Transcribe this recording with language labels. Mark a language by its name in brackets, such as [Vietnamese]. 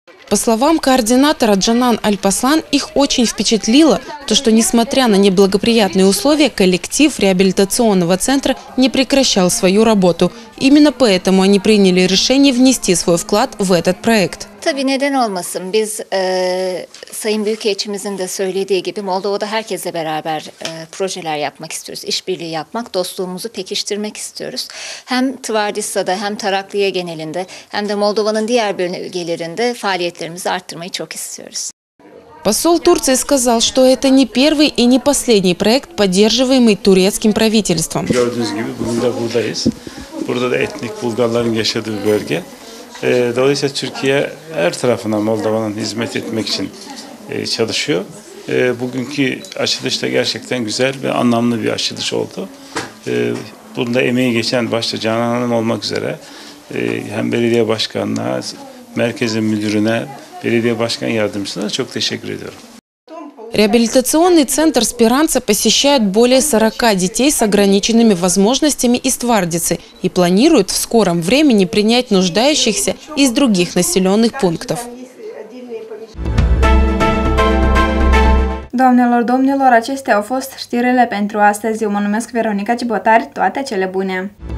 [Russian] По словам координатора Джанан Альпаслан, их очень впечатлило то, что несмотря на неблагоприятные условия, коллектив реабилитационного центра не прекращал свою работу. Именно поэтому они приняли решение внести свой вклад в этот проект. [Turkish] Tabii neden olmasın? Biz Sayın Büyükelçimizin de söylediği gibi Moldova'da herkesle beraber projeler yapmak istiyoruz. İşbirliği yapmak, dostluğumuzu pekiştirmek istiyoruz. Hem Tvardisa'da hem Taraklıya genelinde hem de Moldova'nın diğer bölgelerinde faaliyetlerimizi arttırmayı çok istiyoruz. [Russian] Посол Турции сказал, что это не первый и не последний проект, поддерживаемый турецким правительством. [Turkish] Gördüğünüz gibi bugün de buradayız. Burada da etnik Bulgarların yaşadığı bölge. Dolayısıyla Türkiye her tarafına Moldova'nın hizmet etmek için çalışıyor. Bugünkü açılış da gerçekten güzel ve anlamlı bir açılış oldu. Bunda emeği geçen başta Canan Hanım olmak üzere hem belediye başkanına, merkezin müdürüne, belediye başkan yardımcısına çok teşekkür ediyorum. [Russian] Реабилитационный центр «Спиранца» посещают более 40 детей с ограниченными возможностями из Твардицы и планируют в скором времени принять нуждающихся из других населенных пунктов. [Romanian] Doamnelor, domnilor, acestea au fost știrile pentru astăzi. Eu mă numesc Veronica Cibotari. Toate cele bune!